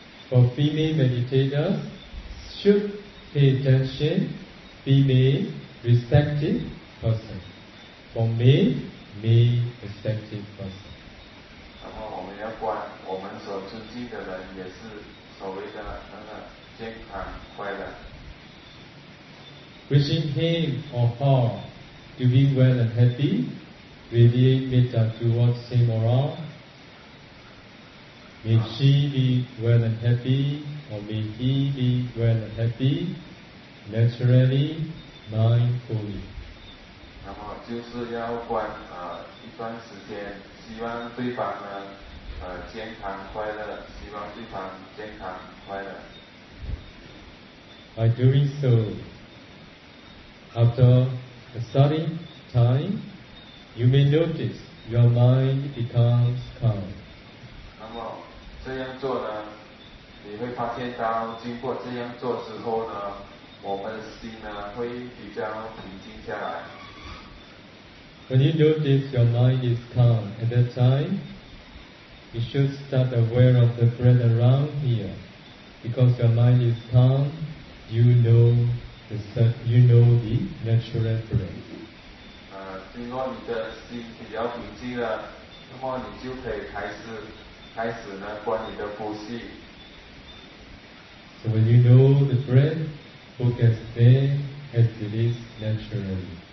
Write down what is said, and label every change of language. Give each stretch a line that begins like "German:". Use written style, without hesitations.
English: For female meditators, should pay attention to female respective person. For male respective person.
Chinese: 然后我们要观我们所尊敬的人也是所谓的那个健康快乐。
English: Wishing him or her to be well and happy, radiate metta towards him or her. May she be well and happy, or may he be well and happy, naturally, mindfully.
Chinese: 然后就是要观一段时间，希望对方呢健康快乐，希望对方健康快乐。
English: By doing so, after a certain time, you may notice your mind becomes calm.
Chinese: 那么这样做呢，你会发现到经过这样做之后呢，我们的心呢会比较平静下来。
English: When you notice your mind is calm at that time, you should start aware of the breath around here. Because your mind is calm, you know the natural breath.
Chinese: 经过你的心比较平静了，那么你就可以开始呢观你的呼吸。
English: So when you know the breath, focus there as it is naturally.